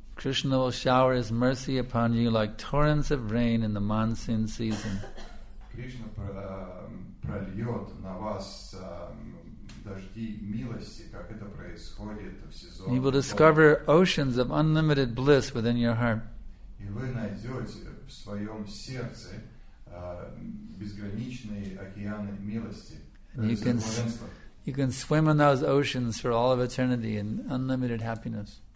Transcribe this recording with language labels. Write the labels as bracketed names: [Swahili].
[English] Krishna will shower his mercy upon you like torrents of rain in the monsoon season. [Russian] Krishna прольет на вас дожди милости, как это происходит в сезон. [English] He will discover oceans of unlimited bliss within your heart. [Russian] И вы найдете в своем сердце безграничные океаны милости. [English] You can swim in those oceans for all of eternity in unlimited happiness.